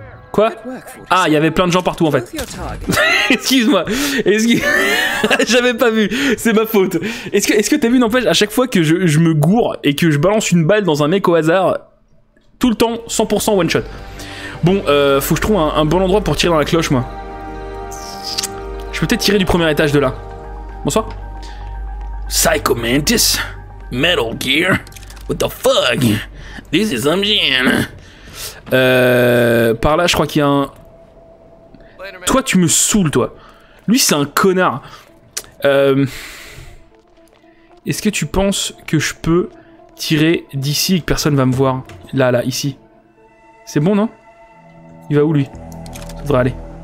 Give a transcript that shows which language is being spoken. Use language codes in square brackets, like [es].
[fr] Quoi? Ah, il y avait plein de gens partout en fait. Excuse-moi. J'avais pas vu. C'est ma faute. Est-ce que t'as vu, n'empêche, à chaque fois que je me gourre et que je balance une balle dans un mec au hasard, tout le temps, 100% one shot. Bon, faut que je trouve un bon endroit pour tirer dans la cloche, moi. Je peux peut-être tirer du premier étage de là. Bonsoir. Psycho Mantis. [en] Metal Gear. What the fuck? This is some gin. [fr] Par là, je crois qu'il y a un... Toi, tu me saoules, toi. Lui, c'est un connard. Est-ce que tu penses que je peux tirer d'ici et que personne va me voir? Là, là, ici. C'est bon, non? Il va où, lui? Ça devrait aller.